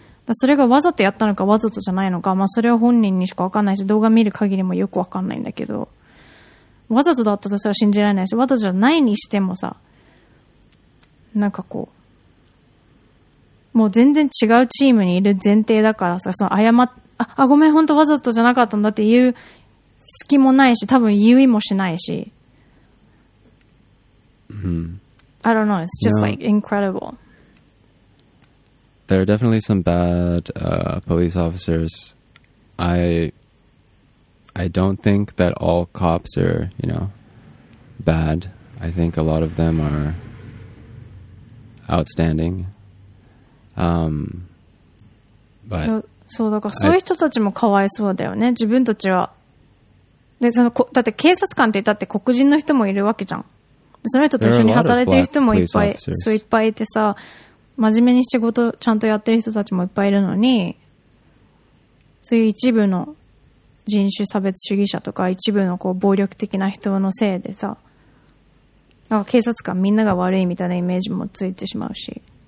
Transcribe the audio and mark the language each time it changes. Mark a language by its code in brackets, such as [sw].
[ja] だそれがわざとやったのかわざとじゃないのか、まあそれは本人にしかわかんないし、動画見る限りもよくわかんないんだけど、わざとだったとしたら信じられないし、わざとじゃないにしてもさ、なんかこう、もう全然違うチームにいる前提だからさ、その謝っ、あ、ごめん、本当わざとじゃなかったんだって言う隙もないし、多分言う意もしないし。 [en] I don't know. It's just, yeah, like incredible. There are definitely some bad police officers. I don't think that all cops are, you know, bad. I think a lot of them are outstanding. But [ja] そうだから、そういう人たちもかわいそうだよね。自分たちはで、そのこ、だって警察官って言ったって黒人の人もいるわけじゃん。その人と一緒に働いてる人もいっぱい、そういっぱいいてさ、真面目に仕事ちゃんとやってる人たちもいっぱいいるのに、そういう一部の人種差別主義者とか一部のこう暴力的な人のせいでさ、なんか警察官みんなが悪いみたいなイメージもついてしまうし。